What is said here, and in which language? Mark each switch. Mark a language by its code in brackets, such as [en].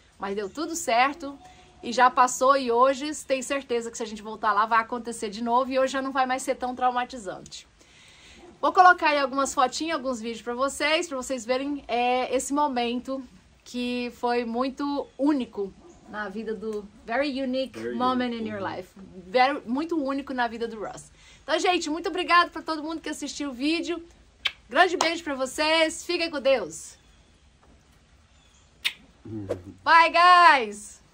[pt] Mas deu tudo certo. E já passou, e hoje tenho certeza que se a gente voltar lá vai acontecer de novo e hoje já não vai mais ser tão traumatizante. Vou colocar aí algumas fotinhas, alguns vídeos pra vocês verem esse momento que foi muito único na vida do... [en] Very unique very moment unique. In your life. Very, [pt] muito único na vida do Russ. Então, gente, muito obrigado pra todo mundo que assistiu o vídeo. Grande beijo pra vocês. Fiquem com Deus. [en] Bye, guys!